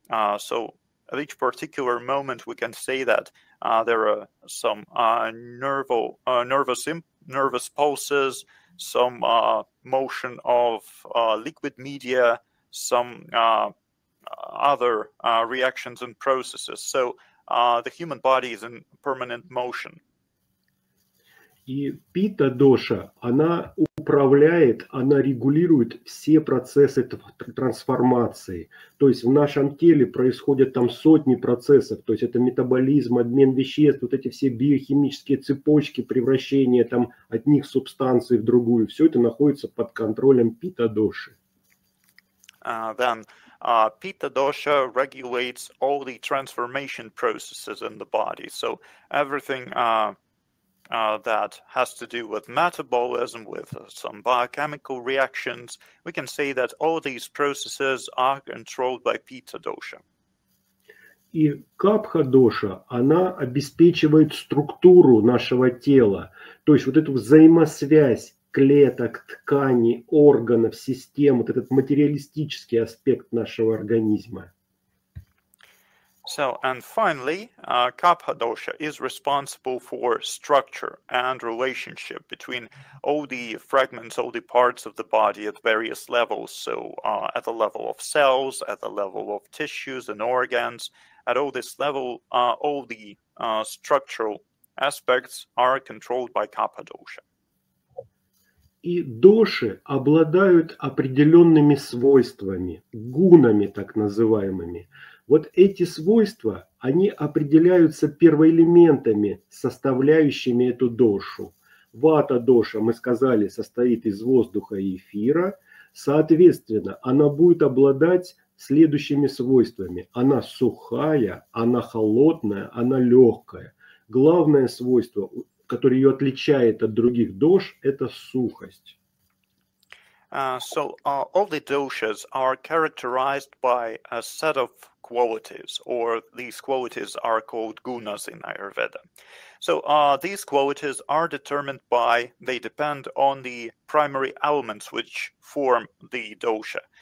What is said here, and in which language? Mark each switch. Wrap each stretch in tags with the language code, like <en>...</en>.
<en>At each particular moment, we can say that there are some nervous pulses, some motion of liquid media, some other reactions and processes. So the human body is in permanent motion.</en> <ru>И пита доша, она управляет, она регулирует все процессы трансформации. То есть в нашем теле происходят там сотни процессов. То есть это метаболизм, обмен веществ, вот эти все биохимические цепочки, превращение там одних субстанций в другую. Все это находится под контролем пита доши.</ru> <en>Pitta dosha regulates all the transformation processes in the body. So everything... that has to do with metabolism, with some biochemical reactions. We can say that all these processes are controlled by Pitta dosha.</en> <ru>И капха доша, она обеспечивает структуру нашего тела, то есть вот эту взаимосвязь клеток, тканей, органов, систем, вот этот материалистический аспект нашего организма.</ru> <en>So, and finally, Kapha dosha is responsible for structure and relationship between all the fragments, all the parts of the body at various levels. So, at the level of cells, at the level of tissues and organs, at all this level, all the structural aspects are controlled by Kapha dosha.</en> <ru>И доши обладают определенными свойствами, гунами так называемыми. Вот эти свойства, они определяются первоэлементами, составляющими эту дошу. Вата-доша, мы сказали, состоит из воздуха и эфира. Соответственно, она будет обладать следующими свойствами. Она сухая, она холодная, она легкая. Главное свойство, которое ее отличает от других дош, это сухость.</ru> <en>All the doshas are characterized by a set of qualities, or these qualities are called gunas in Ayurveda. These qualities are determined by, they depend on the primary elements which form the dosha.</en>